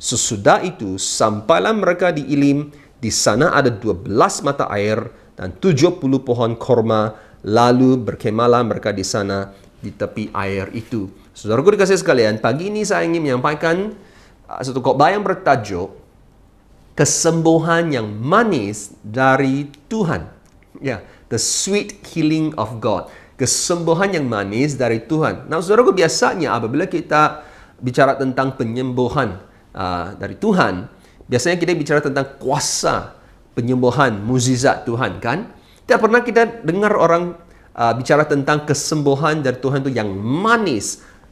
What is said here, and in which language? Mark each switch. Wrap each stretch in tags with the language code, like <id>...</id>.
<id>Sesudah itu, sampailah mereka di Elim, di sana ada 12 mata air dan 70 pohon korma, lalu berkemahlah mereka di sana di tepi air itu. Saudaraku dikasih sekalian, pagi ini saya ingin menyampaikan satu khotbah yang bertajuk Kesembuhan yang manis dari Tuhan.</id> <en>Yeah, the sweet healing of God.</en> <id>Kesembuhan yang manis dari Tuhan. Nah, saudaraku, biasanya apabila kita bicara tentang penyembuhan dari Tuhan, biasanya kita bicara tentang kuasa penyembuhan, mukjizat Tuhan, kan? Tidak pernah kita dengar orang bicara tentang kesembuhan dari Tuhan itu yang manis.</id>